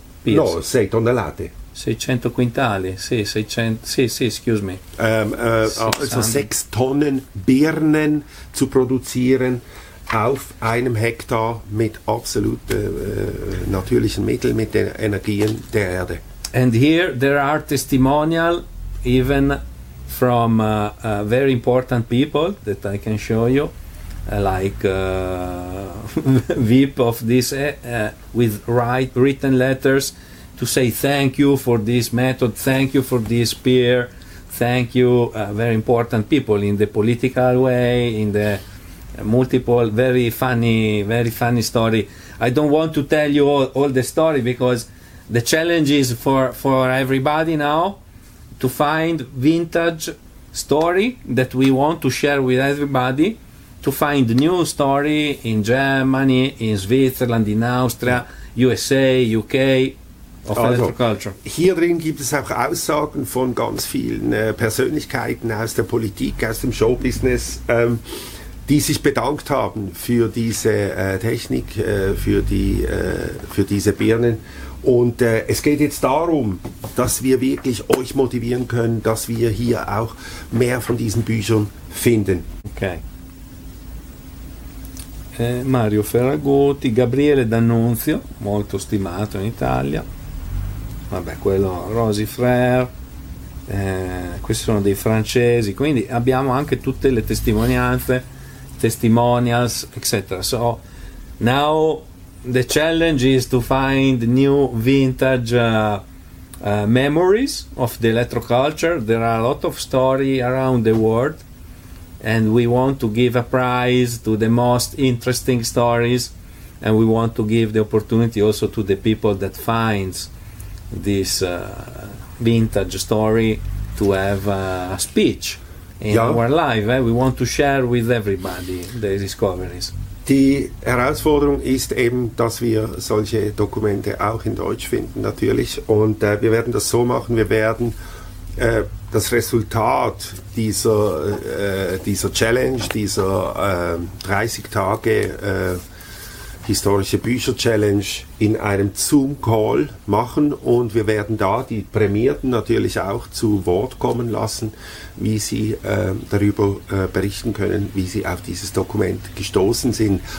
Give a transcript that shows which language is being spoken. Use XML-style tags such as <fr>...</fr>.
<it>No, 6 tonnellate. 600 quintali, sì, 600, sì,</it> <en>excuse me.</en> <de>Also 6 Tonnen Birnen zu produzieren auf einem Hektar mit absolut natürlichen Mitteln, mit den Energien der Erde.</de> <en>And here there are testimonial even from very important people that I can show you. Like VIP of this with written letters to say thank you for this method, thank you for this peer, thank you, very important people in the political way, in the multiple, very funny story. I don't want to tell you all the story, because the challenge is for everybody now to find vintage story that we want to share with everybody, to find new story in Germany, in Switzerland, in Austria, USA, UK, of also, electroculture.</en> <de>Hier drin gibt es auch Aussagen von ganz vielen Persönlichkeiten aus der Politik, aus dem Showbusiness, die sich bedankt haben für diese Technik, für diese Birnen. Und es geht jetzt darum, dass wir wirklich euch motivieren können, dass wir hier auch mehr von diesen Büchern finden.</de> <it>Okay. Mario Ferragotti, Gabriele D'Annunzio, molto stimato in Italia, vabbè, quello Rosi Frère, questi sono dei francesi, quindi abbiamo anche tutte le testimonianze, testimonials, eccetera.</it> <en>So now the challenge is to find new vintage memories of the electro culture. There are a lot of stories around the world, and we want to give a prize to the most interesting stories, and we want to give the opportunity also to the people that finds this vintage story to have a speech in our life. We want to share with everybody the discoveries.</en> <de>Die Herausforderung ist eben, dass wir solche Dokumente auch in Deutsch finden, natürlich. Und wir werden das so machen, wir werden das Resultat dieser Challenge, dieser 30 Tage historische Bücher-Challenge in einem Zoom-Call machen, und wir werden da die Prämierten natürlich auch zu Wort kommen lassen, wie sie darüber berichten können, wie sie auf dieses Dokument gestoßen sind.</de>